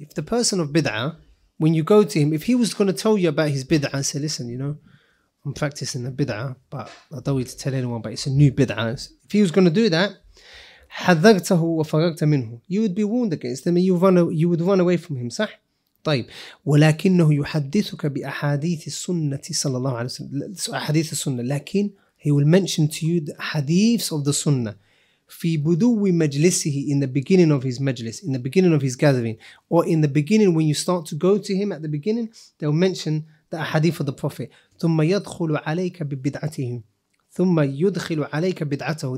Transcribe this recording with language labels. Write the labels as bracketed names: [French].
[English] If the person of bid'ah, when you go to him, if he was going to tell you about his bid'ah and say, listen, you know, I'm practicing the bid'ah, but I don't need to tell anyone, but it's a new bid'ah. If he was going to do that, [Arabic] حذرته وفرقت منه. [English] You would be warned against him and you would run away from him, صح? [Arabic] طيب. ولكنه يحدثك بأحاديث السنة صلى الله عليه وسلم. أحاديث السنة. لكن [English] he will mention to you the hadiths of the sunnah. [Arabic] في بدو مجلسه, [English] in the beginning of his majlis, in the beginning of his gathering, or in the beginning when you start to go to him at the beginning, they'll mention the ahadith of the Prophet. [Arabic] ثم يدخل عليك ببدعته. ثم يدخل عليك بدعته.